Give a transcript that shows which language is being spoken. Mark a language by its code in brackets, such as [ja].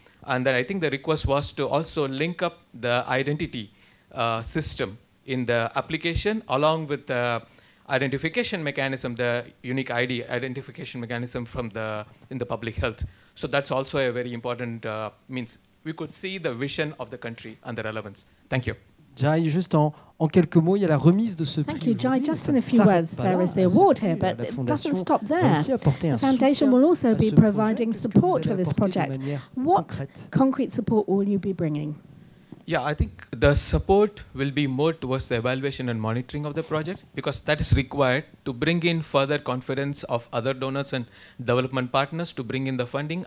[en] And then I think the request was to also link up the identity system in the application along with the identification mechanism, the unique ID identification mechanism from the in the public health. So that's also a very important means. We could see the vision of the country and the relevance. Thank you. [fr] Jai, just en quelques mots, il y a la remise de ce [en] Thank [fr] prix. [en] Thank you, Jai. Just in a few words, there is the award here, but it doesn't stop there. The foundation will also be providing support for this project. What concrete support will you be bringing? Yeah, I think the support will be more towards the evaluation and monitoring of the project, because that is required to bring in further confidence of other donors and development partners to bring in the funding.